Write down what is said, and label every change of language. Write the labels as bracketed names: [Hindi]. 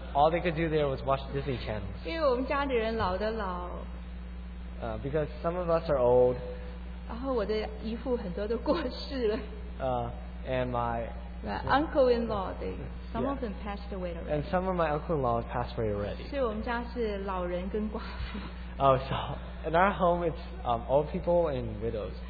[English] All they could do there was watch Disney channels. [Chinese] 因为我们家的人老的老。 [English] Because some of us are old. [Chinese] 然后我的姨父很多都过世了。 [English] And my uncle-in-law, some of them passed away already. And some of my uncle-in-law passed away already. [Chinese] 所以我们家是老人跟寡妇。 [English] Oh, so in our home, it's old people and widows.